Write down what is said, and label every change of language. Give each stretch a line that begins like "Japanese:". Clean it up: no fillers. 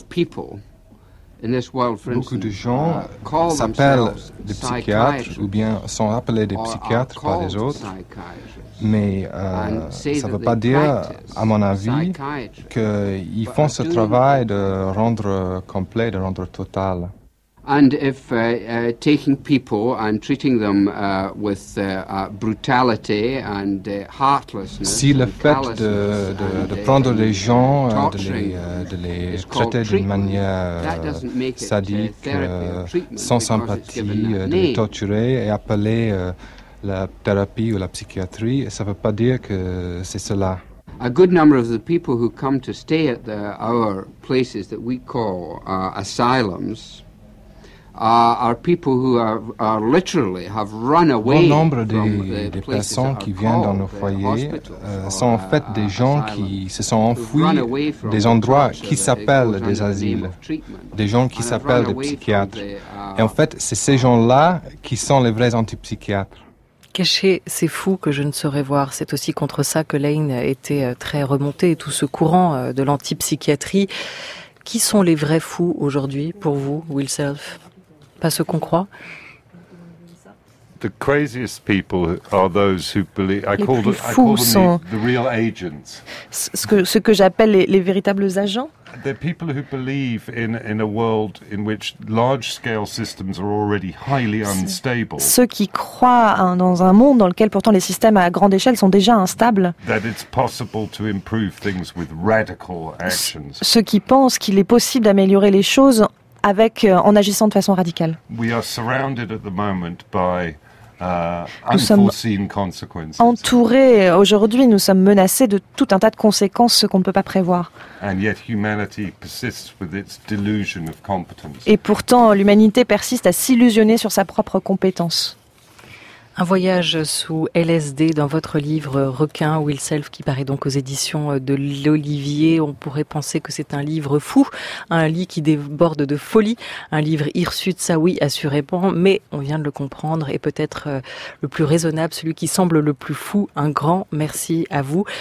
French: Beaucoup de gens s'appellent des psychiatres ou bien sont appelés des psychiatres par les autres. Mais ça ne veut pas dire, à mon avis, qu'ils font ce travail de rendre complet, de rendre total.
English: And if taking people and treating them with brutality and heartlessness,
French: si le fait de prendre des gens, de les traiter d'une manière sadique, sans sympathie, de les torturer et appeler la thérapie ou la psychiatrie, ça ne veut pas dire que c'est cela.
English: A good number of the people who come to stay at our places that we call asylums are people who are literally have run away.
French: Bon nombre des personnes qui viennent dans nos foyers sont en fait des gens qui se sont enfuis des endroits qui s'appellent des asiles, des gens qui s'appellent des psychiatres. Et en fait, c'est ces gens-là qui sont les vrais antipsychiatres. Cacher ces fous que je ne saurais voir, c'est aussi contre ça que Laing était très remonté, tout ce courant de l'antipsychiatrie. Qui sont les vrais fous aujourd'hui pour vous, Will Self? Pas ce qu'on croit.
English: The craziest people are those who believe. I call them the real agents.
French: Ce que j'appelle les véritables agents.
English: They're people who believe in a world in which large-scale systems are already highly unstable.
French: Ceux qui croient dans un monde dans lequel pourtant les systèmes à grande échelle sont déjà instables.
English: That it's possible to improve things with radical actions.
French: Ceux qui pensent qu'il est possible d'améliorer les choses. Avec, en agissant de façon radicale.
English: We are surrounded at the moment by unforeseen consequences.
French: Entourés aujourd'hui, nous sommes menacés de tout un tas de conséquences qu'on ne peut pas prévoir.
English: And yet humanity persists with its delusion of competence.
French: Et pourtant, l'humanité persiste à s'illusionner sur sa propre compétence. Un voyage sous LSD dans votre livre Requin, Will Self, qui paraît donc aux éditions de l'Olivier. On pourrait penser que c'est un livre fou, un lit qui déborde de folie, un livre hirsute, ça oui, assurément, mais on vient de le comprendre et peut-être le plus raisonnable, celui qui semble le plus fou, un grand merci à vous.